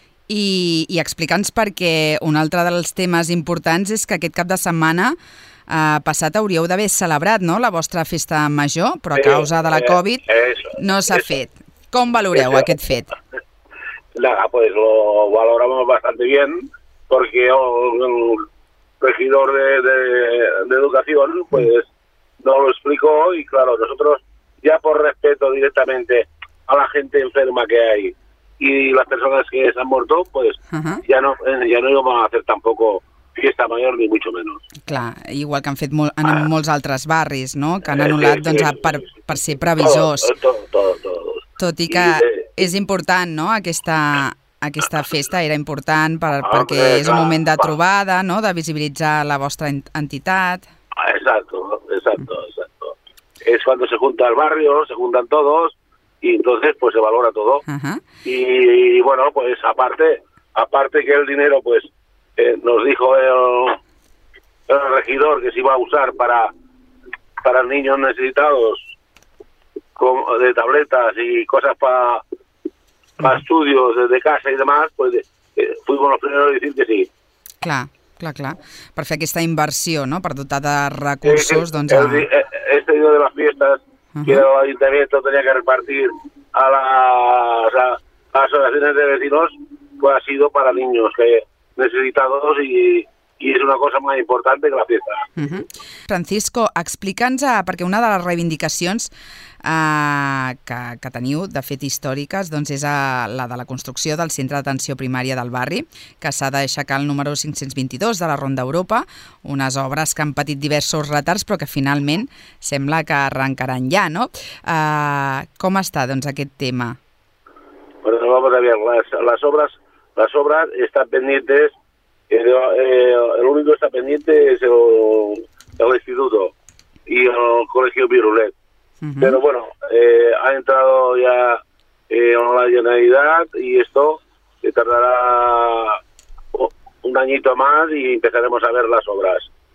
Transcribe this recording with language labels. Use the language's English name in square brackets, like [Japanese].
[Catalan] I explica'ns perquè un altre dels temes importants és que aquest cap de setmana passat hauríeu d'haver celebrat, no?, la vostra festa major, però a causa de la Covid no s'ha fet. Com valoreu aquest fet? [Spanish] Pues lo valoramos bastante bien porque el regidor de educación pues no lo explicó y claro, nosotros ya por respeto directamente a la gente enferma que hay y las personas que se han muerto, pues ya no íbamos a hacer tampoco fiesta mayor, ni mucho menos. [Catalan] Clar, igual que han fet en molts altres barris, no?, que han anul·lat per ser previsors. Tot i que és important, no?, aquesta festa era important perquè és un moment de trobada, no?, de visibilitzar la vostra entitat. [Spanish] Exacto. [Catalan] És quan se junta el barri, no?, [Spanish] se juntan todos, y entonces pues se valora todo. Y bueno, pues aparte que el dinero pues nos dijo el regidor que se iba a usar para niños necesitados de tabletas y cosas para estudios desde casa y demás, pues fuimos los primeros a decir que sí. [Catalan] Clar. Per fer aquesta inversió, no?, per dotar de recursos, doncs... [Spanish] Este dia de les fiestas que el ayuntamiento tenía que repartir a las asociaciones de vecinos, pues ha sido para niños que necesitados y es una cosa más importante que la fiesta. [Catalan] Francisco, explica'ns, perquè una de les reivindicacions que teniu, de fet històriques, doncs és la de la construcció del centre d'atenció primària del barri, que s'ha d'aixecar el número 522 de la Ronda Europa, unes obres que han patit diversos retards però que finalment sembla que arrencaran ja, no? Com està, doncs, aquest tema? [Spanish] Bueno, vamos a ver, las obras están pendientes, el único que está pendiente es el instituto y el colegio Virulet. Pero bueno, ha entrado ya la Generalidad y esto se tardará un añito más y empezaremos a ver las obras.